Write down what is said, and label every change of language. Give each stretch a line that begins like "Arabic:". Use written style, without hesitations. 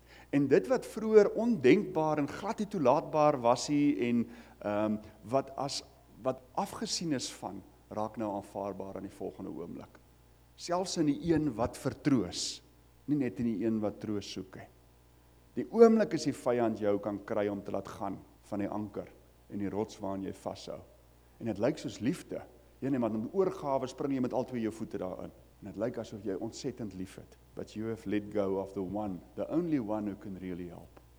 Afrikaans: En dit wat vroeger ondenkbaar en glad nie toelaatbaar was hy, en wat afgesien is van, raak nou aanvaarbaar in die volgende oomblik. Selfs in die een wat vertroos, nie net in die een wat troos soek. Die oomblik is die vyand jou kan kry om te laat gaan van die anker en die rots waaraan jy vashou. En het lyk soos liefde. Jy neem aan die oorgawe, spring jy met al twee jou voete daarin. En het lyk asof jy ontsettend lief het.
English: But you have let go of the one, the only one who can really help.